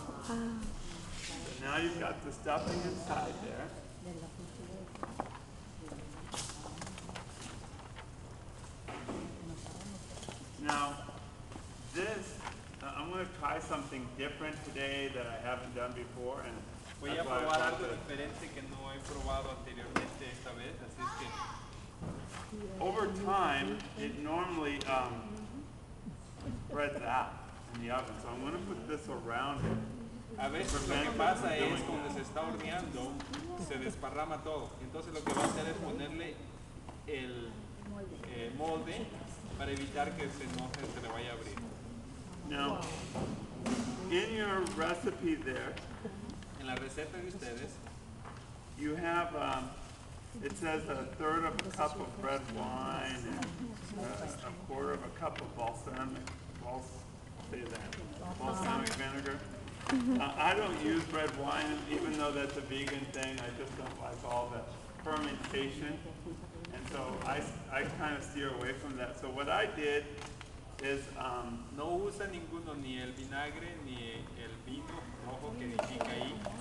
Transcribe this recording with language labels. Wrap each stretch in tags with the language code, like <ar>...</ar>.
<en>So now you've got the stuffing inside there. Now, this, I'm going to try something different today that I haven't done before, and</en> <es>voy a probar algo diferente que no he probado anteriormente esta vez, así es que.</es> <en>Over time, it normally spreads out in the oven, so I'm going to put this around it.</en> <es>A veces lo que pasa es cuando se está horneando, se desparrama todo. Entonces lo que va a hacer es ponerle el molde para evitar que se enoje, se le vaya a abrir.</es> <en>Now, in your recipe there,</en> <es>en la receta de ustedes,</es> <en>you have it says a third of a cup of red wine and a quarter of a cup of balsamic vinegar. I don't use red wine, even though that's a vegan thing. I just don't like all the fermentation. And so I kind of steer away from that. So what I did is...</en> <es>No usa ninguno, ni el vinagre, ni el vino rojo que edifica ahí.</es>